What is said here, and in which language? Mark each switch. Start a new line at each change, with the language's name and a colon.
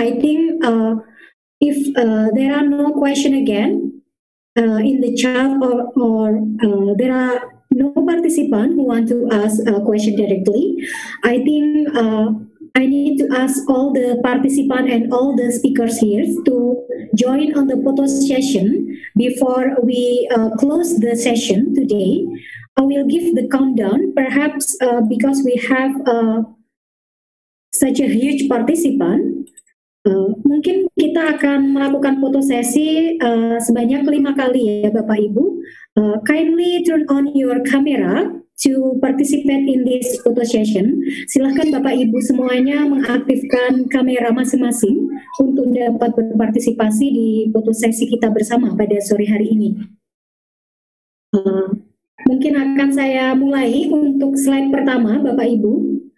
English: I think if there are no question again, in the chat or there are no participant who want to ask a question directly, I think I need to ask all the participant and all the speakers here to join on the photo session before we close the session today. I will give the countdown, perhaps because we have such a huge participant.
Indonesian: Mungkin kita akan melakukan foto sesi sebanyak 5 kali ya Bapak Ibu.
English: Kindly turn on your camera to participate in this photo session.
Indonesian: Silakan Bapak Ibu semuanya mengaktifkan kamera masing-masing untuk dapat berpartisipasi di foto sesi kita bersama pada sore hari ini. Mungkin akan saya mulai untuk slide pertama Bapak Ibu.